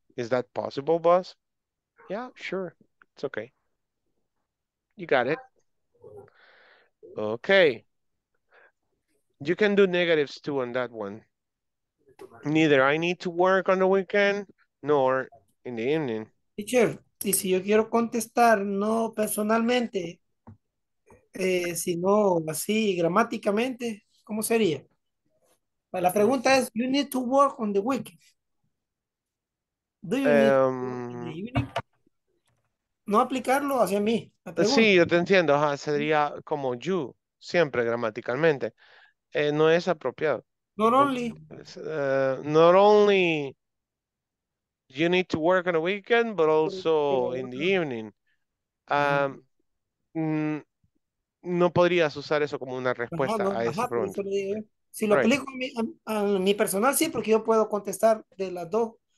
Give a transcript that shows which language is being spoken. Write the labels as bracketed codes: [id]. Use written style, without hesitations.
[en] Is that possible, boss? Yeah, sure. It's okay. You got it. Okay. You can do negatives too on that one. Neither I need to work on the weekend nor in the evening. [es] Teacher, y si yo quiero contestar, no personalmente, sino así gramáticamente, ¿cómo sería? Pero la pregunta es, [en] you need to work on the weekend. Do you need to work in the evening? [es] No aplicarlo hacia mí. Sí, yo te entiendo. Ajá, sería como you, siempre gramaticalmente. No es apropiado. [en] Not only you need to work on the weekend, but also in the evening. [es] No podrías usar eso como una respuesta a esa pregunta. Si lo aplico a mi personal, sí, porque yo puedo contestar de las dos.